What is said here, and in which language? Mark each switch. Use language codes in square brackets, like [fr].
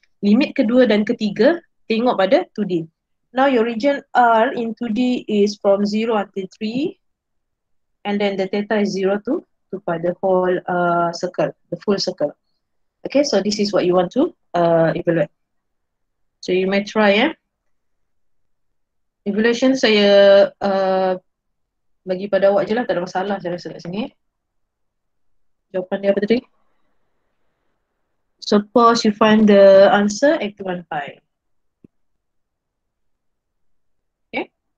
[ms] Limit kedua dan ketiga, tengok pada 2D. [en] Now your region R in 2D is from 0 until 3, and then the theta is 0 to pi, the whole circle, the full circle. Okay, so this is what you want to evaluate. So you may try, eh. [ms] Evaluation saya bagi pada awak je lah, tak ada masalah saya rasa kat sini. Jawapan dia apa tadi? [en] Suppose you find the answer, x one pi. Okay.